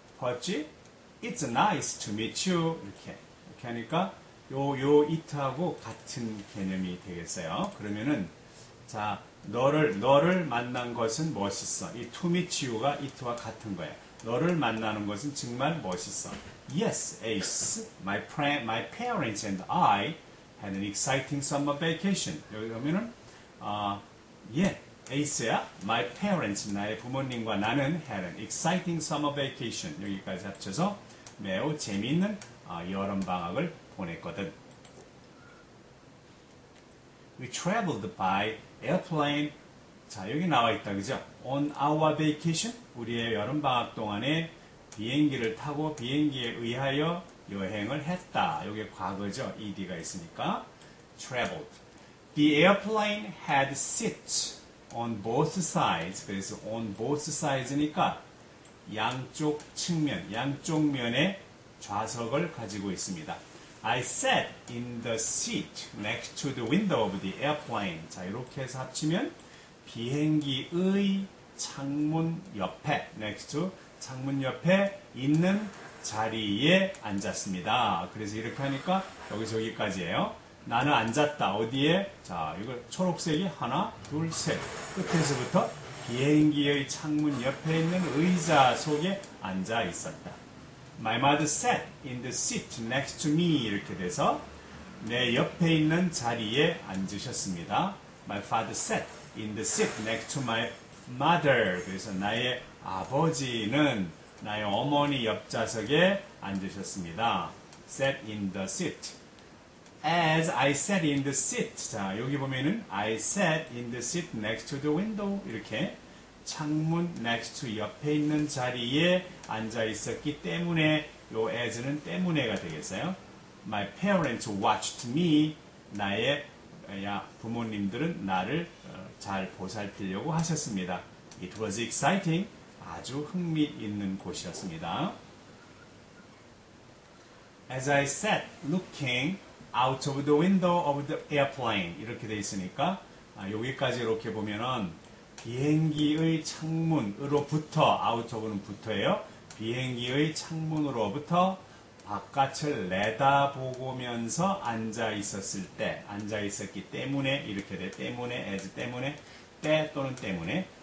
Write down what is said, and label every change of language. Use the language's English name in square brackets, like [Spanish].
[English] 퍼치, it's nice to meet you. 이렇게. [Korean] 이렇게 하니까 요 it하고 같은 개념이 되겠어요. 그러면은 자, 너를 만난 것은 멋있어. 이 [English] to meet you [Korean] 가 it와 같은 거야. 너를 만나는 것은 정말 멋있어. [English] Yes, Ace. My parents and I had an exciting summer vacation. [Korean] 여기 보면은 yeah, Ace야. [English] My parents, [Korean] 나의 부모님과 나는 [English] had an exciting summer vacation. [Korean] 여기까지 합쳐서 매우 재미있는 여름 방학을 보냈거든. We traveled by airplane. 자, 여기 나와 있다, 그죠? [English] On our vacation, [Korean] 우리의 여름 방학 동안에 비행기를 타고 비행기에 의하여 여행을 했다. 이게 과거죠. ED가 있으니까. [English] Traveled. The airplane had seats on both sides. [Korean] 그래서 on both sides니까 양쪽 측면, 양쪽 면에 좌석을 가지고 있습니다. [English] I sat in the seat next to the window of the airplane. [Korean] 자, 이렇게 해서 합치면 비행기의 창문 옆에, next to, 창문 옆에 있는 자리에 앉았습니다. 그래서 이렇게 하니까 여기서 여기까지예요. 나는 앉았다. 어디에? 자, 이거 초록색이 하나, 둘, 셋. 끝에서부터 비행기의 창문 옆에 있는 의자 속에 앉아 있었다. [English] My mother sat in the seat next to me. [Korean] 이렇게 돼서 내 옆에 있는 자리에 앉으셨습니다. [English] My father sat in the seat next to my mother. [Korean] 그래서 나의 아버지는 나의 어머니 옆좌석에 앉으셨습니다. [English] Sat in the seat. As I sat in the seat. [Korean] 자, 여기 보면은 [English] I sat in the seat next to the window. [Korean] 이렇게 창문 next to 옆에 있는 자리에 앉아 있었기 때문에 요 as는 때문에가 되겠어요. [English] My parents watched me. [Korean] 나의 야, 부모님들은 나를 잘 보살피려고 하셨습니다. [English] It was exciting. [Korean] 아주 흥미있는 곳이었습니다. [English] As I sat looking out of the window of the airplane. [Korean] 이렇게 되어 있으니까 여기까지 이렇게 보면은 비행기의 창문으로부터 out of는 부터예요. 비행기의 창문으로부터 바깥을 내다보면서 앉아 있었을 때, 앉아 있었기 때문에, 이렇게 돼, 때문에, as 때문에, 때 또는 때문에.